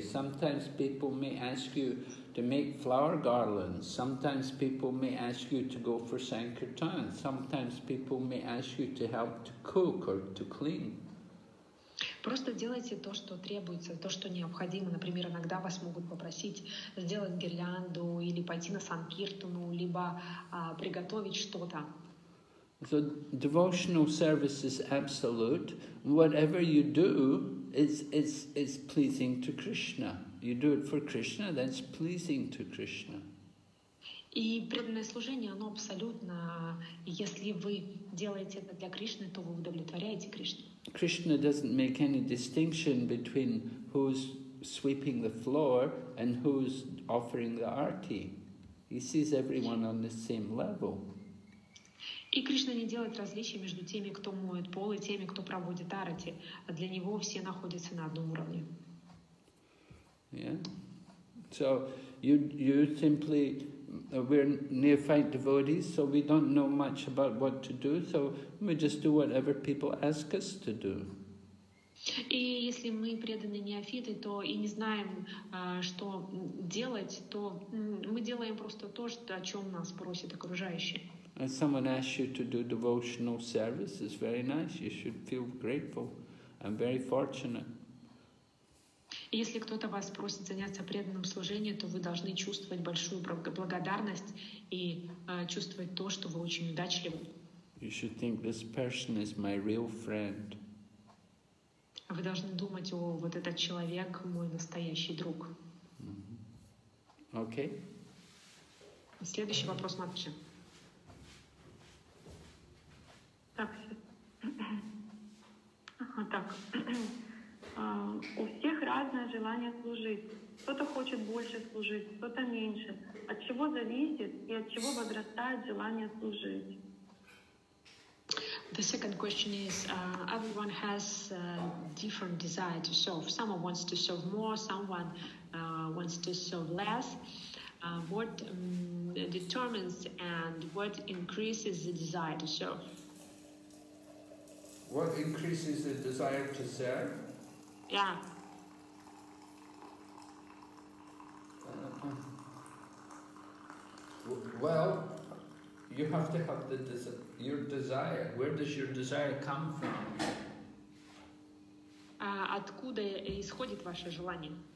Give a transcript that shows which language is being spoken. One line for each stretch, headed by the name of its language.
English: Sometimes people may ask you to make flower garlands. Sometimes people may ask you to go for sankirtan. Sometimes people may ask you to help to cook or to clean.
Russian: Просто делайте то, что требуется, то, что необходимо. Например, иногда вас могут попросить сделать гирлянду или пойти на санкиртану, либо приготовить что-то.
English: So devotional service is absolute. Whatever you do is pleasing to Krishna. You do it for Krishna, that's pleasing to Krishna.
Russian: И преданное служение, оно абсолютно, если вы делаете это для Кришны, то вы удовлетворяете Кришну.
English: Krishna doesn't make any distinction between who's sweeping the floor and who's offering the aarti. He sees everyone on the same level.
Russian: И Кришна не делает различий между теми, кто моет пол, и теми, кто проводит аарти. Для него все находятся на одном уровне.
English: Yeah. So you simply... We're neophyte devotees, so we don't know much about what to do, so we just do whatever people ask us to do.
Russian: И если мы преданы неофиты, то и не знаем, что делать, то мы делаем просто то, о чем нас просят окружающие.
English: And someone asks you to do devotional service, it's very nice, you should feel grateful and very fortunate.
Russian: Если кто-то вас просит заняться преданным служением, то вы должны чувствовать большую благодарность и чувствовать то, что вы очень удачливы.
English: You should think this person is my real friend.
Russian: Вы должны думать, о, вот этот человек мой настоящий друг.
English: Mm-hmm. Okay.
Russian: Следующий вопрос, Матыша. Так. У всех разное желание служить. Кто-то хочет больше служить, кто-то меньше. От чего зависит и от чего возрастает желание служить?
English: The second question is, everyone has different desire to serve. Someone wants to serve more, someone wants to serve less. What determines and what increases the desire to serve? What increases the desire to serve? Yeah. Well, you have to have the your desire. Where does your desire come from?
Russian: Откуда исходит ваше желание?